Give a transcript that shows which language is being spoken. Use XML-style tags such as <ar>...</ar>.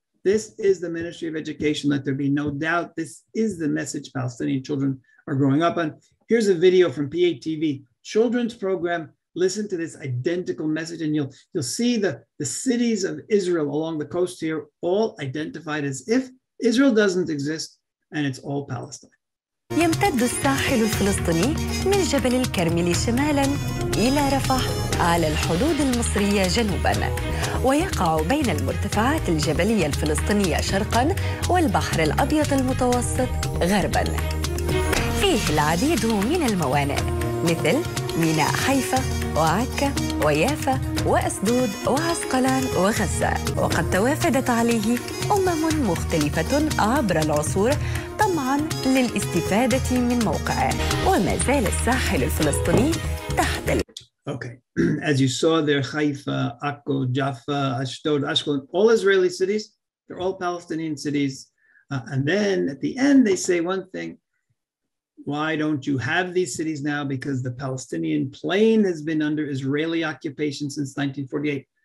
<en>This is the Ministry of Education, let there be no doubt. This is the message Palestinian children are growing up on. Here's a video from PATV. Children's program, listen to this identical message, and you'll see the cities of Israel along the coast here, all identified as if Israel doesn't exist, and it's all Palestine.</en> <ar>يمتد الساحل الفلسطيني من جبل الكرمل شمالا إلى رفح على الحدود المصرية جنوباً، ويقع بين المرتفعات الجبلية الفلسطينية شرقاً والبحر الأبيض المتوسط غرباً. فيه العديد من الموانئ مثل ميناء حيفا وعكا ويافا وأسدود وعسقلان وغزة، وقد توافدت عليه أمم مختلفة عبر العصور طمعاً للاستفادة من موقعه، وما زال الساحل الفلسطيني تحت</ar> <en>Okay, as you saw there, Haifa, Akko, Jaffa, Ashdod, Ashkelon, all Israeli cities, they're all Palestinian cities. And then at the end, they say one thing, why don't you have these cities now? Because the Palestinian plain has been under Israeli occupation since 1948.</en>